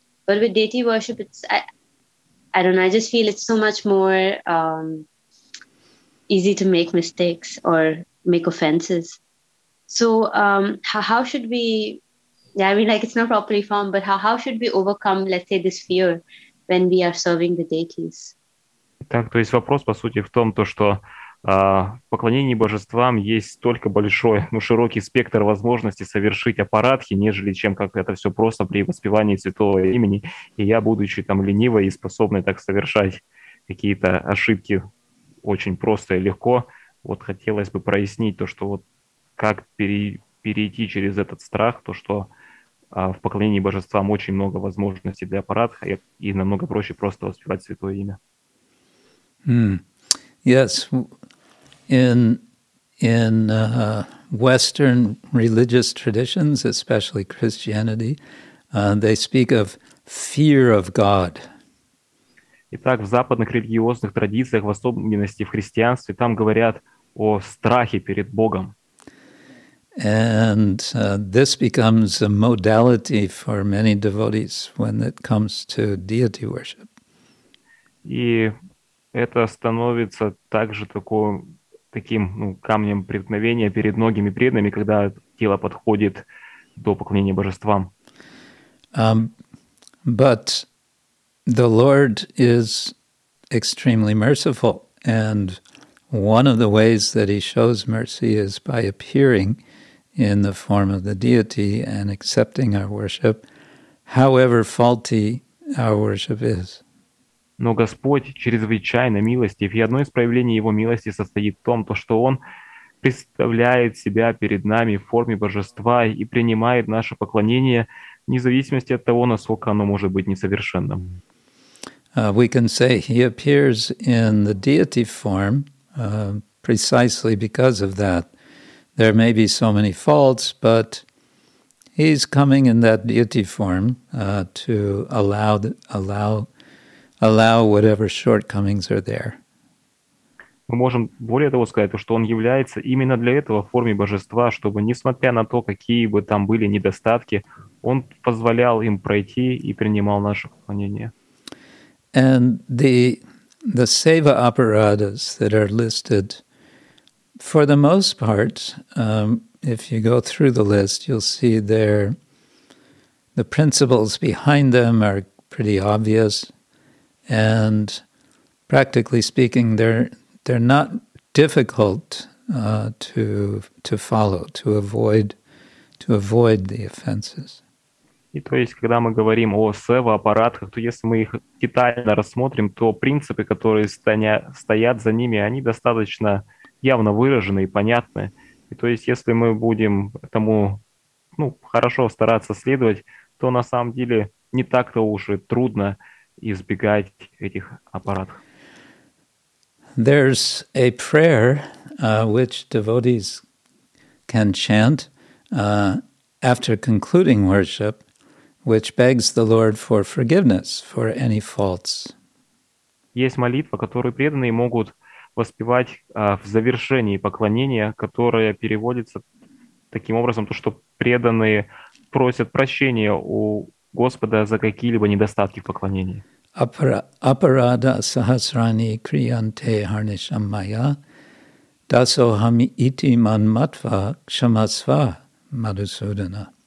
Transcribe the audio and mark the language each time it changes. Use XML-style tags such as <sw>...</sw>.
<en>But with deity worship, it's I don't know, I just feel it's so much more easy to make mistakes or make offenses. So how should we, it's not properly formed, but how should we overcome, let's say, this fear when we are serving the deities?</en> <ru>Так, то есть вопрос, по сути, в том, то, что в поклонении божествам есть только большой, ну, широкий спектр возможностей совершить апарадхи, нежели чем как это все просто при воспевании святого имени, и я, будучи там ленивой и способной так совершать какие-то ошибки очень просто и легко, вот хотелось бы прояснить то, что вот как перейти через этот страх, то, что в поклонении божествам очень много возможностей для апарадхи, и намного проще просто воспевать святое имя.</ru> <en>Yes, in Western religious traditions, especially Christianity, they speak of fear of God.</en> <ru>Итак, в западных религиозных традициях, в особенности в христианстве, там говорят о страхе перед Богом.</ru> <en>And this becomes a modality for many devotees when it comes to deity worship.</en> <ru>И это становится также таким, ну, камнем преткновения перед многими преданными, когда тело подходит до поклонения божествам.</ru> <en>But the Lord is extremely merciful, and one of the ways that He shows mercy is by appearing in the form of the deity and accepting our worship, however faulty our worship is.</en> <ru>Но Господь чрезвычайно милостив, и одно из проявлений Его милости состоит в том, то, что Он представляет Себя перед нами в форме Божества и принимает наше поклонение, вне зависимости от того, насколько оно может быть несовершенным.</ru> <en>We can say He appears in the deity form precisely because of that. There may be so many faults, but He's coming in that deity form to allow whatever shortcomings are there.</en> <ru>Мы можем более того сказать, что Он является именно для этого в форме Божества, чтобы, несмотря на то, какие бы там были недостатки, Он позволял им пройти и принимал наше поклонение.</ru> <en>And the seva aparadhas that are listed, for the most part, if you go through the list, you'll see the principles behind them are pretty obvious. And practically speaking, they're not difficult to follow, to avoid the offenses.</en> <ru>И то есть, когда мы говорим о сева-аппаратах, то если мы их детально рассмотрим, то принципы, которые стоят за ними, они достаточно явно выражены и понятны. И то есть, если мы будем этому, ну, хорошо стараться следовать, то на самом деле не так-то уж и трудно избегать этих аппаратов.</ru> <en>There's a prayer which devotees can chant after concluding worship, which begs the Lord for forgiveness for any faults.</en> <ru>Есть молитва, которую преданные могут воспевать в завершении поклонения, которая переводится таким образом, то, что преданные просят прощения у Господа за какие-либо недостатки в поклонении.</ru> <sa>Апарада сахасрани криянте харнишам мая, дасохам ити манматва кшамасва Мадхусудана.</sa>